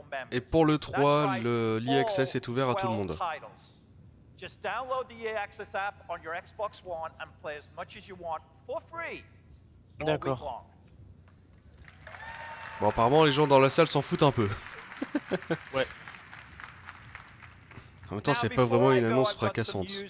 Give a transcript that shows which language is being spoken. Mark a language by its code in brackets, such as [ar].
[fr] Et pour le 3, le EA Access est ouvert à tout le monde. [en] Just download the EA Access app on your Xbox One and play as much as you want for free. [fr] D'accord. Bon, apparemment les gens dans la salle s'en foutent un peu. Ouais. En même temps, c'est pas vraiment une annonce fracassante.